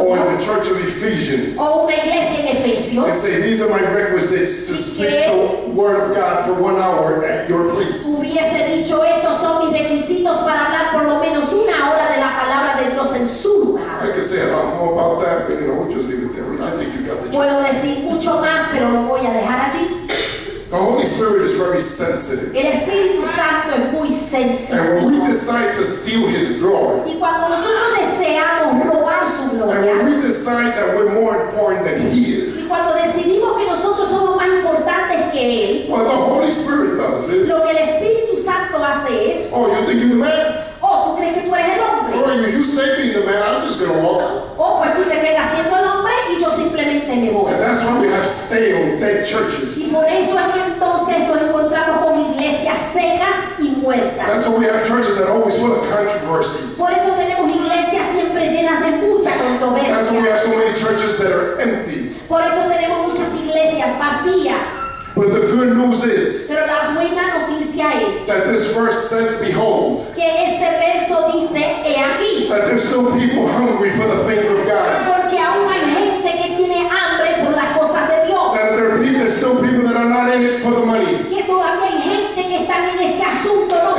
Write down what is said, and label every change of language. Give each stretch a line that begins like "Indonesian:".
Spanish: o en la iglesia de Efesios, o una iglesia en Efesios,
English: and say, "These are my requisites to speak the word of God for 1 hour at your place."
Spanish: Hubiese dicho, estos son mis requisitos para hablar por lo menos una hora de la palabra de Dios en su lugar.
English: I can say a lot more about that, but you know, we'll just leave it there. I think you got the gist.
Spanish: Puedo decir mucho más, pero lo voy a dejar allí.
English: The Holy Spirit is very sensitive.
Spanish: El Espíritu Santo es muy sensible.
English: And when we decide to steal His glory,
Spanish: y cuando nosotros deseamos robar su gloria,
English: and when we decide that we're more important than He is,
Spanish: y cuando decidimos que nosotros somos más importantes que Él,
English: what the Holy Spirit does is,
Spanish: lo que el Espíritu Santo hace es,
English: oh, you think you're the man?
Spanish: Oh, ¿tú crees que tú eres el hombre?
English: Well, you stay being the man, I'm just going to walk.
Spanish: Oh, pues tú te quedas siendo el hombre y yo simplemente me voy.
English: And that's why we have stale, dead churches.
Spanish: Y por eso es que entonces nos encontramos con iglesias secas y muertas.
English: That's why we have churches that are always full of controversies.
Spanish: Por eso tenemos iglesias siempre llenas de mucha controversia.
English: That's why we have so many churches that are empty.
Spanish: Por eso tenemos muchas iglesias vacías.
English: But the good news is,
Spanish: pero la buena noticia es,
English: that this verse says, behold,
Spanish: que este verso dice, he aquí,
English: that there's still people hungry for the things of God.
Spanish: Porque aún hay gente que tiene hambre por las cosas de Dios.
English: That there's still people that are not in it for the money.
Spanish: Que todavía hay gente que están en este asunto, no,